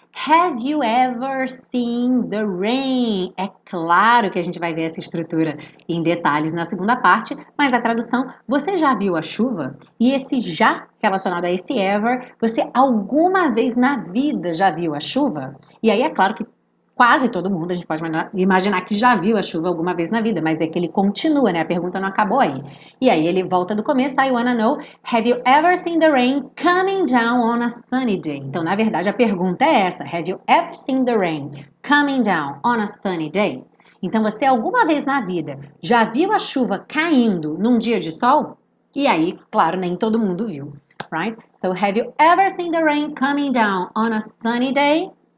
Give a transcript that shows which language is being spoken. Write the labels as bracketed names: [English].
[English] Have you ever seen the rain? [Portuguese] É claro que a gente vai ver essa estrutura em detalhes na segunda parte, mas a tradução, você já viu a chuva? E esse já relacionado a esse ever, você alguma vez na vida já viu a chuva? E aí é claro que quase todo mundo, a gente pode imaginar que já viu a chuva alguma vez na vida, mas é que ele continua, né? A pergunta não acabou aí. E aí ele volta do começo. [English] I wanna know, have you ever seen the rain coming down on a sunny day? [Portuguese] Então, na verdade, a pergunta é essa: [English] Have you ever seen the rain coming down on a sunny day? [Portuguese] Então, você alguma vez na vida já viu a chuva caindo num dia de sol? E aí, claro, nem todo mundo viu, right? [English] So, have you ever seen the rain coming down on a sunny day?